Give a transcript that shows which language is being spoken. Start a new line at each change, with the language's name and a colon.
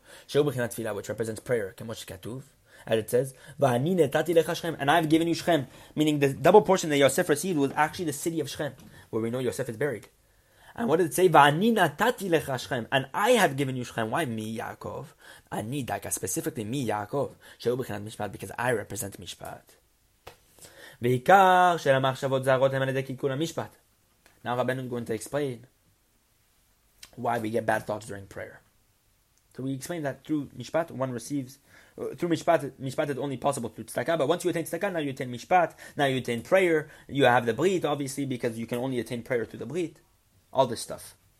Hebrew: Shehu b'chinat tefillah,
English: which represents prayer,
Hebrew: kemo shekatuv,
English: as it says,
Hebrew: v'ani netati lecha Shechem,
English: and I've given you Shechem, meaning the double portion that Yosef received was actually the city of Shechem, where we know Yosef is buried. And what did it say?
Hebrew: V'ani netati lecha Shechem,
English: and I have given you Shechem. Why me, Yaakov?
Hebrew: Ani daka,
English: specifically me, Yaakov.
Hebrew: Shehu b'chinat mishpat,
English: because I represent mishpat.
Hebrew: ועיקר של המחשבות זרות הם על ידי קיקון המשפט.
English: Now Rabbeinu is going to explain why we get bad thoughts during prayer. So we explain that through mishpat, one receives, through mishpat, mishpat is only possible through tzedakah, but once you attain tzedakah, now you attain mishpat, now you attain prayer, you have the brit, obviously, because you can only attain prayer through the brit, all this stuff.